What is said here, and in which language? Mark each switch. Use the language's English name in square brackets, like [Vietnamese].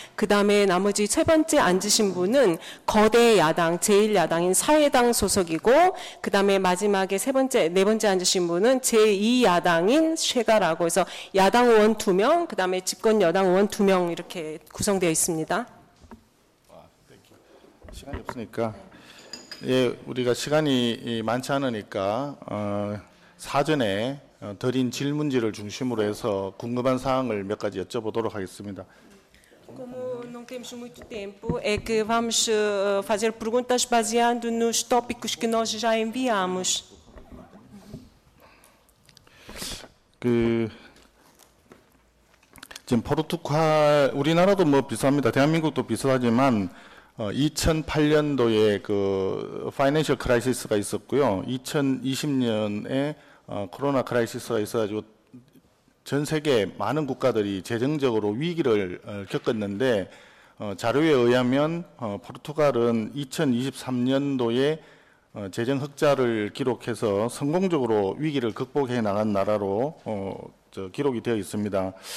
[Korean] 그 다음에 나머지 세 번째 앉으신 분은 거대 야당, 제일 야당인 사회당 소속이고, 그 다음에 마지막에 세 번째, 네 번째 앉으신 분은 제2야당인 쉐가라고 해서 야당 의원 두 명, 그 다음에 집권 여당 의원 두 명 이렇게 구성되어 있습니다. 시간이 없으니까. 예, 우리가 시간이 많지 않으니까 사전에 드린 질문지를 중심으로 해서 궁금한 사항을 몇 가지 여쭤보도록 하겠습니다. [Portuguese] Como não temos muito tempo, é que vamos fazer perguntas baseando nos tópicos que nós já enviamos. [Korean] 그 지금 포르투갈 우리나라도 뭐 비슷합니다. 대한민국도 비슷하지만 2008년도에 그 파이낸셜 크라이시스가 있었고요. 2020년에 코로나 크라이시스가 있어가지고 전 세계 많은 국가들이 재정적으로 위기를 겪었는데 자료에 의하면 포르투갈은 2023년도에 재정 흑자를 기록해서 성공적으로 위기를 극복해 나간 나라로 기록이 되어 있습니다.